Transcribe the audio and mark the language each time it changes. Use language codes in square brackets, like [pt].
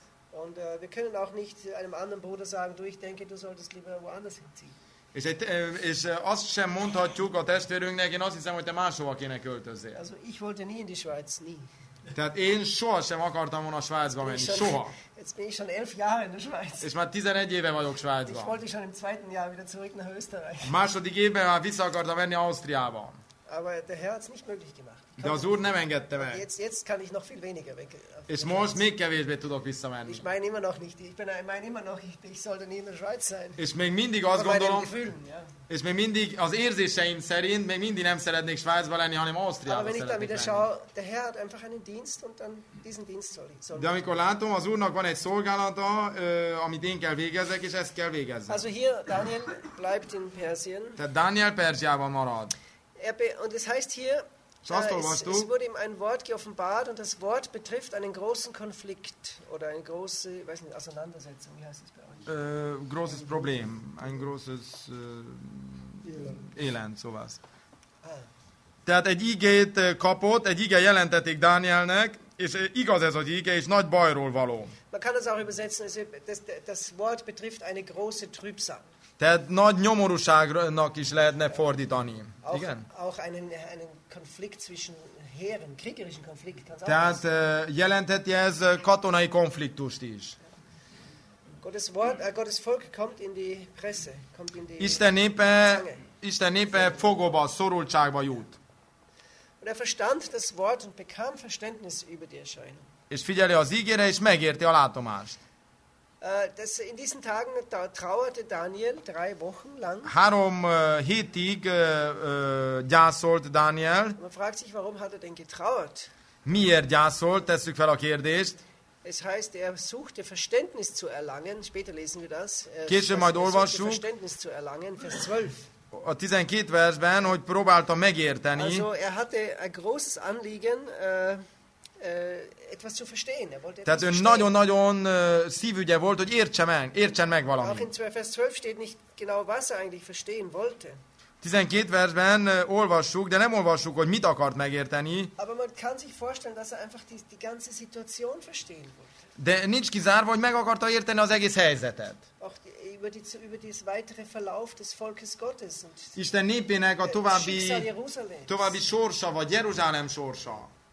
[de] Und wir können auch nicht einem anderen Bruder sagen, du, ich denke, du solltest lieber woanders hinziehen. [hu] És azt sem mondhatjuk a testvérünknek, én azt hiszem, hogy te máshova kéne költözzél. [de] Also ich wollte nie in die Schweiz, nie. [hu] Tehát én sohasem akartam volna Svájcba menni, soha. [de] Jetzt bin ich schon 11 Jahre in der Schweiz. [hu] És már 11 éve vagyok Svájcban. [de] Ich wollte schon im zweiten Jahr wieder zurück nach Österreich. [hu] Második évben már vissza akartam menni Ausztriába. [de] Aber der Herr hat es nicht möglich gemacht. [hu] De az Úr nem engedte meg. [de] Jetzt kann ich noch viel weniger weg. [hu] És most még kevésbé tudok visszamenni. [de] Ich meine immer noch nicht. Ich sollte nie in der Schweiz sein. [hu] És még mindig azt gondolom. [de] Gefühlen, ja. [hu] És még mindig az érzéseim szerint még mindig nem szeretnék Svájcba lenni, hanem Ausztriába szeretnék lenni. [de] Aber wenn ich dann wieder schaue, der Herr hat einfach einen Dienst und dann diesen Dienst soll ich. [hu] De amikor látom, az Úrnak van egy szolgálata, amit én kell végezzek, és ezt kell végezzem. [de] Also hier Daniel bleibt in Persien. [hu] Tehát Daniel Perzsiában marad. [de] Und es heißt hier, es wurde ihm ein Wort geoffenbart und das Wort betrifft einen großen Konflikt oder eine große, weiß nicht, Auseinandersetzung. Wie heißt es bei euch? Großes Problem, ein großes Elend, sowas. [hu] Tehát egy ígét kapott, egy ige jelentették Dánielnek, és igaz ez az ige, és nagy bajról való. [de] Man kann das auch übersetzen, das Wort betrifft eine große Trübsal. [hu] Tehát nagy nyomorúságnak is lehetne fordítani. Igen? [de] Auch einen Konflikt zwischen Heeren, kriegerischen Konflikt. [hu] Tehát jelentheti ez katonai konfliktust is. [de] Gottes Volk kommt in die Presse. Kommt in die [hu] Isten népe fogóba, szorultságba jut. [de] Und er verstand das Wort und bekam Verständnis über die Erscheinung. [hu] És figyeli az ígére, és megérti a látomást. [de] Das in diesen Tagen trauerte Daniel 3 Wochen lang. [hu] 3 hétig gyászolt Daniel. [de] Man fragt sich, warum hat er denn getrauert? [hu] Miért gyászolt? Tesszük fel a kérdést. [de] Es heißt, er suchte Verständnis zu erlangen. Später lesen wir das. [hu] Később majd olvassuk. [de] Verständnis zu erlangen, Vers 12. [hu] A 12 versben, hogy próbálta megérteni. [de] Also er hatte ein großes Anliegen. Etwas zu verstehen. Er wollte etwas verstehen. [hu] Nagyon-nagyon szívügye volt, hogy értsen meg valamit. [de] Auch in 2 Vers 12 steht nicht genau, was er eigentlich verstehen wollte. [hu] 12 versben olvassuk, de nem olvassuk, hogy mit akart megérteni. [de] Aber man kann sich vorstellen, dass er einfach die ganze Situation verstehen wollte. [hu] De nincs kizárva, hogy meg akarta érteni az egész helyzetet. [de] Auch über die weitere Verlauf des Volkes Gottes. [hu] Isten népének a további sorsa, vagy Jeruzsálem sorsa.